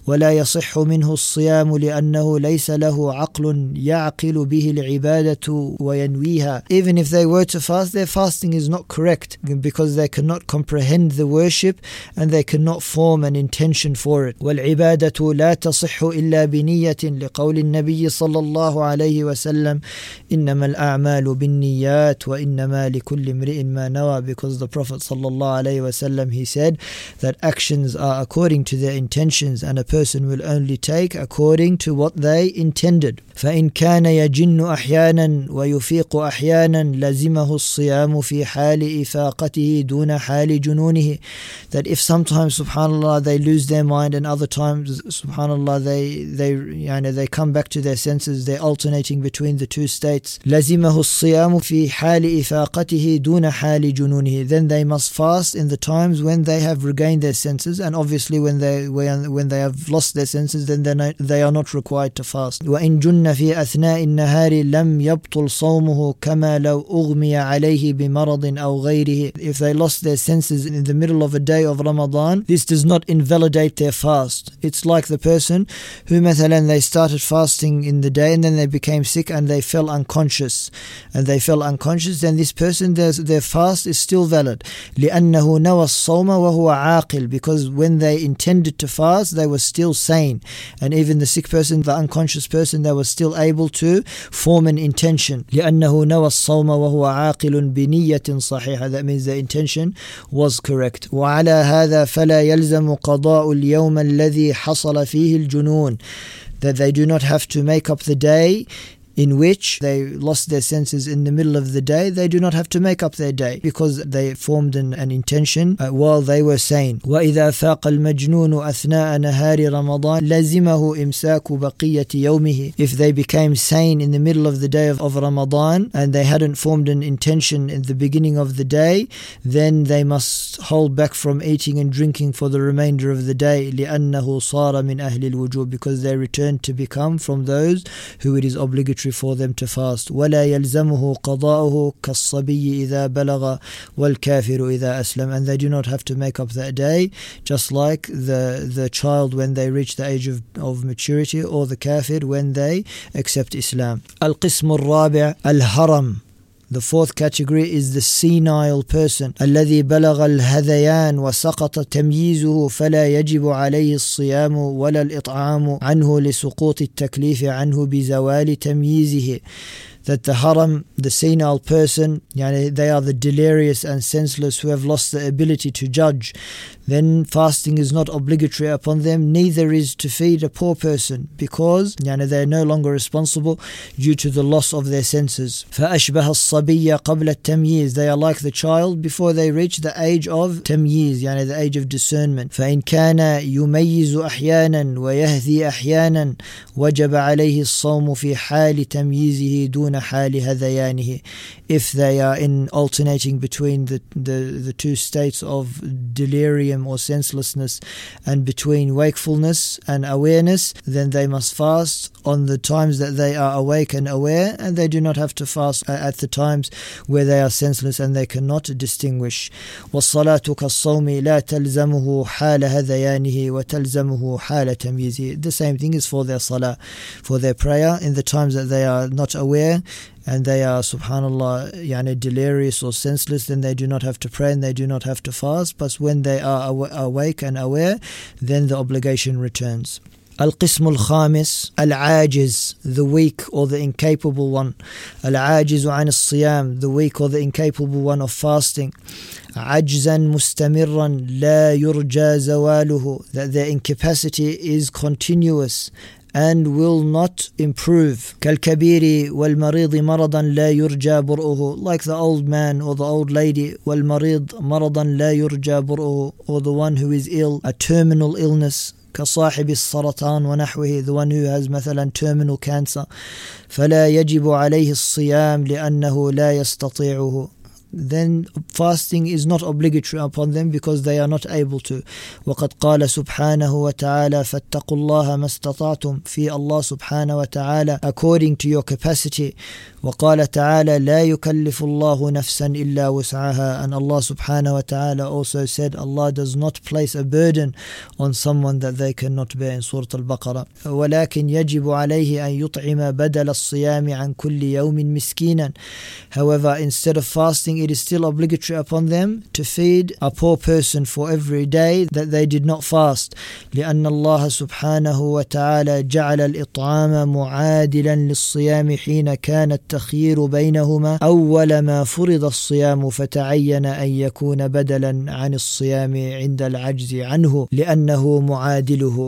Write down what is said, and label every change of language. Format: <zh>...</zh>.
<ar>ولا يصح منه الصيام لأنه ليس له عقل يعقل به العبادة وينويها.</ar> <en>Even if they were to fast, their fasting is not correct because they cannot comprehend the worship and they cannot form an intention for it.</en> <ar>والعبادة لا تصح إلا بنية لقول النبي صلى الله عليه وسلم إنما الأعمال بالنيات وإنما لكل امرئ ما نوى,</ar> <en>because the Prophet sallallahu alayhi wa sallam, he said that actions are according to their intentions, and a person will only take according to what they intended.</en> <ar>فإن كان يجن أحيانا ويفيق أحيانا لزمه الصيام في حال إفاقته دون حال جنونه.</ar> <en>That if sometimes, subhanAllah, they lose their mind, and other times, subhanAllah, they come back to their senses, they're alternating between the two states.</en> <ar>لزمه الصيام في حال إفاقته دون حال جنونه.</ar> <en>Then they must fast in the times when they have regained their senses, and obviously when they have lost their senses, then they are not required to fast.</en> <ar>وإن جن في أثناء النهار لم يبطل صومه كما لو أغمي عليه بمرض أو غيره.</ar> <en>If they lost their senses in the middle of a day of Ramadan, this does not invalidate their fast. It's like the person who, مثلاً, they started fasting in the day and then they became sick and they fell unconscious. Then this person, their fast is still valid.</en> <ar>لأنه نوى الصوم وهو عاقل.</ar> <en>Because when they intended to fast, they were still sane. And even the sick person, the unconscious person, they were still able to form an intention.</en> <ar>لأنه نوى الصوم وهو عاقل بنية صحيحة.</ar> <en>That means the intention was correct.</en> <ar>وعلى هذا فلا يلزم قضاء اليوم الذي حصل فيه الجنون.</ar> <en>That they do not have to make up the day in which they lost their senses in the middle of the day, they do not have to make up their day because they formed an intention while they were sane.</en> <ar>وَإِذَا فَاقَ الْمَجْنُونُ أَثْنَاءَ نَهَارِ رَمَضَانِ لَزِمَهُ إِمْسَاكُ بَقِيَّةِ يَوْمِهِ.</ar> <en>If they became sane in the middle of the day of Ramadan and they hadn't formed an intention in the beginning of the day, then they must hold back from eating and drinking for the remainder of the day.</en> <ar>لِأَنَّهُ صَارَ مِنْ أَهْلِ الْوُجُوبِ.</ar> <en>Because they returned to become from those who it is obligatory for them to fast.</en> <ar>ولا يلزمه قضاؤه كالصبي إذا بلغ والكافر إذا أسلم.</ar> <en>And they do not have to make up that day, just like the child when they reach the age of maturity, or the kafir when they accept Islam.</en> <ar>القسم الرابع الهرم.</ar> <en>The fourth category is the senile person.</en> <ar>الذي بلغ الهذيان وسقط تمييزه فلا يجب عليه الصيام ولا الإطعام عنه لسقوط التكليف عنه بزوال تمييزه.</ar> <en>That the haram, the senile person, يعني they are the delirious and senseless who have lost the ability to judge. Then fasting is not obligatory upon them, neither is to feed a poor person, because يعني they are no longer responsible due to the loss of their senses.</en> <ar>فأشبه الصبي قبل التمييز.</ar> <en>They are like the child before they reach the age of تمييز, يعني the age of discernment.</en> <ar>فإن كان يميز أحيانا ويهذي أحيانا وجب عليه الصوم في حال تمييزه دون.</ar> <en>If they are in alternating between the two states of delirium or senselessness and between wakefulness and awareness, then they must fast on the times that they are awake and aware, and they do not have to fast at the times where they are senseless and they cannot distinguish.</en> <ar>والصلاة كالصوم لا تلزمه حال هذيانه وتلزمه حال تمييزه.</ar> <en>The same thing is for their salah, for their prayer, in the times that they are not aware and they are, subhanAllah, يعني delirious or senseless, then they do not have to pray and they do not have to fast. But when they are awake and aware, then the obligation returns.</en> <ar>القسم الخامس العاجز,</ar> <en>the weak or the incapable one.</en> <ar>العاجز عن الصيام,</ar> <en>the weak or the incapable one of fasting.</en> <ar>عجزا مستمرا لا يرجى زواله.</ar> <en>That their incapacity is continuous and will not improve.</en> <ar>كالكبير والمريض مرضا لا يرجى برؤه.</ar> <en>Like the old man or the old lady.</en> <ar>والمريض مرضا لا يرجى برؤه,</ar> <en>or the one who is ill, a terminal illness.</en> <ar>كصاحب السرطان ونحوه,</ar> <en>the one who has مثلا terminal cancer.</en> <ar>فلا يجب عليه الصيام لأنه لا يستطيعه.</ar> <en>Then fasting is not obligatory upon them because they are not able to.</en> <ar>وقد قال سبحانه وتعالى فاتقوا الله ما استطعتم. في الله سبحانه وتعالى,</ar> <en>according to your capacity.</en> <ar>وقال تعالى لا يكلف الله نفسا إلا وسعها.</ar> <en>And Allah سبحانه وتعالى also said Allah does not place a burden on someone that they cannot bear, in سورة البقرة.</en> <ar>ولكن يجب عليه أن يطعم بدل الصيام عن كل يوم مسكينا.</ar> <en>However, instead of fasting it is still obligatory upon them to feed a poor person for every day that they did not fast.</en> <ar>لِأَنَّ اللَّهَ سُبْحَانَهُ وَتَعَالَى جَعَلَ الْإِطْعَامَ مُعَادِلًا لِلصِّيَامِ حِينَ كَانَ التَّخْيِيرُ بَيْنَهُمَا أَوَّلَ مَا فُرِضَ الصِّيَامُ فَتَعَيَّنَ أَنْ يَكُونَ بَدَلًا عَنِ الصِّيَامِ عِنْدَ الْعَجْزِ عَنْهُ لِأَنَّهُ مُعَادِلُهُ.</ar>